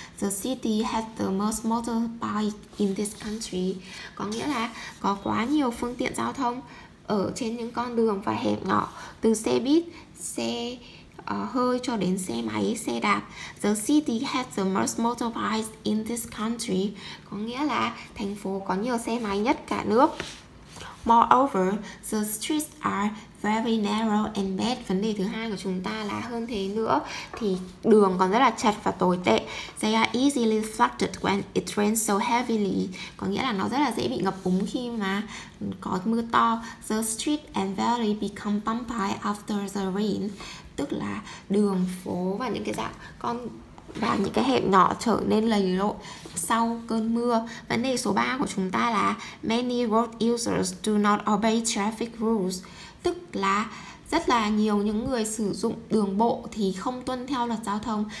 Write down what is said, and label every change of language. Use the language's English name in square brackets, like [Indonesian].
[English] The city has the most motorbikes in this country. [Vietnamese] Có nghĩa là có quá nhiều phương tiện giao thông ở trên những con đường và hẹp nhỏ, từ xe buýt, xe hơi cho đến xe máy, xe đạp. [English] The city has the most motorbikes in this country. [Vietnamese] Có nghĩa là thành phố có nhiều xe máy nhất cả nước. [English] Moreover, the streets are very narrow and bad. [Vietnamese] Vấn đề thứ hai của chúng ta là hơn thế nữa thì đường còn rất là chật và tồi tệ. [English] They are easily flooded when it rains so heavily. [Vietnamese] Có nghĩa là nó rất là dễ bị ngập úng khi mà có mưa to. [English] The street and valley become bumpy after the rain. [Vietnamese] Tức là đường phố và những cái dạng con và những cái hẹp nhỏ trở nên lầy lội sau cơn mưa. Vấn đề số 3 của chúng ta là [English] many road users do not obey traffic rules, [Vietnamese] tức là rất là nhiều những người sử dụng đường bộ thì không tuân theo luật giao thông.